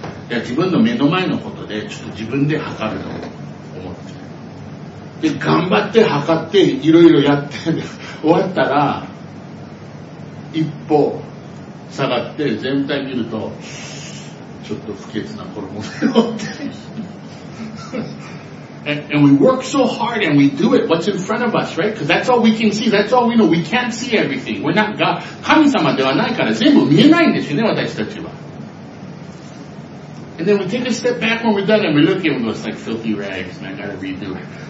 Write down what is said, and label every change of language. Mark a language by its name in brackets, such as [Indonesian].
[English] And we work so hard and we do it, what's in front of us, right? Because that's all we can see, that's all we know. We can't see everything. We're not God. [Japanese] 神様ではないから全部見えないんですよね、私たちは。 [English] And then we take a step back when we're done and we look at it and go, it's like filthy rags and I gotta redo it.